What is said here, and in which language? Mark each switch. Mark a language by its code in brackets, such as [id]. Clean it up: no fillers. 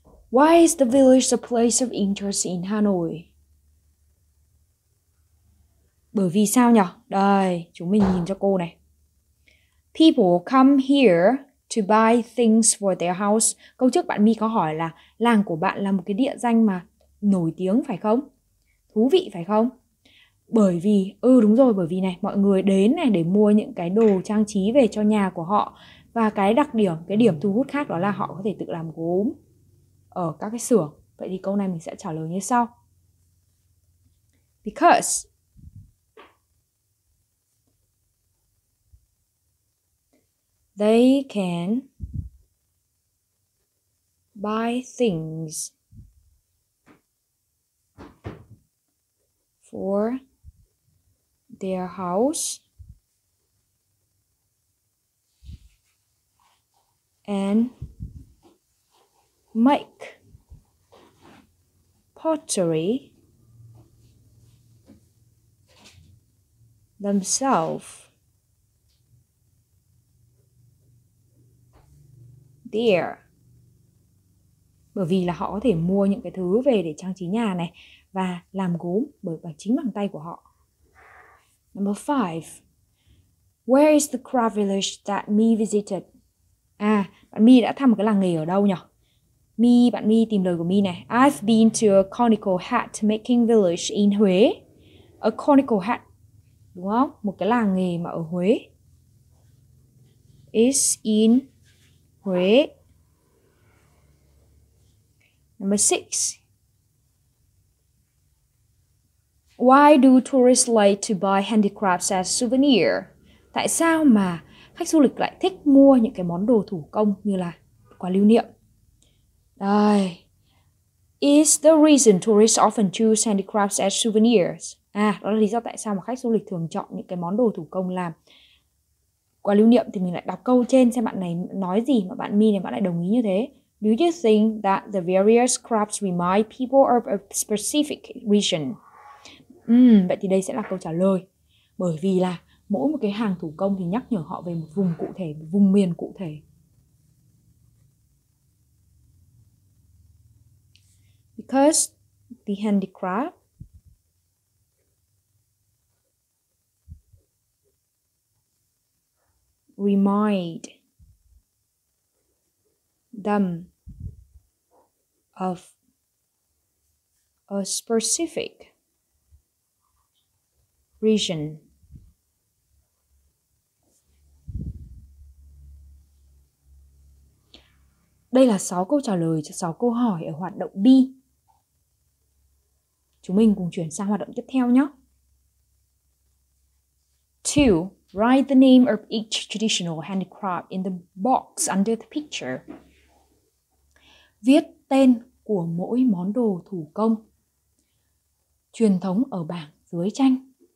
[en] Why is the village a place of interest in Hanoi? [vi] Bởi vì sao nhỉ? Đây, chúng mình nhìn cho cô này. [en] People come here to buy things for their house. [vi] Câu trước bạn My có hỏi là làng của bạn là một cái địa danh mà nổi tiếng phải không? Thú vị phải không? Bởi vì, đúng rồi, bởi vì này, mọi người đến này để mua những cái đồ trang trí về cho nhà của họ. Và cái đặc điểm, cái điểm thu hút khác đó là họ có thể tự làm gốm ở các cái xưởng. Vậy thì câu này mình sẽ trả lời như sau. [en] Because they can buy things for their house and make pottery themselves there. [vi] Bởi vì là họ có thể mua những cái thứ về để trang trí nhà này và làm gốm bởi bằng chính bằng tay của họ. [en] Number 5. Where is the craft village that me visited? [vi] À, bạn My đã thăm một cái làng nghề ở đâu nhỉ? My, bạn My tìm lời của My này. [en] I've been to a conical hat making village in Huế. A conical hat, [vi] đúng không? Một cái làng nghề mà ở Huế. [en] Is in Huế. Number 6. Why do tourists like to buy handicrafts as souvenir? [vi] Tại sao mà khách du lịch lại thích mua những cái món đồ thủ công như là quà lưu niệm? Đây. [en] Is the reason tourists often choose handicrafts as souvenirs? [vi] À, đó là lý do tại sao mà khách du lịch thường chọn những cái món đồ thủ công làm quà lưu niệm. Thì mình lại đọc câu trên xem bạn này nói gì mà bạn My này bạn lại đồng ý như thế. [en] Do you think that the various crafts remind people of a specific region? [vi] Vậy thì đây sẽ là câu trả lời. Bởi vì là mỗi một cái hàng thủ công thì nhắc nhở họ về một vùng cụ thể, một vùng miền cụ thể. [en] Because the handicraft remind them of a specific region. [vi] Đây là 6 câu trả lời cho 6 câu hỏi ở hoạt động B. Chúng mình cùng chuyển sang hoạt động tiếp theo nhé. [en] 2. Write the name of each traditional handicraft in the box under the picture. [vi] Viết tên của mỗi món đồ thủ công truyền thống ở bảng dưới tranh.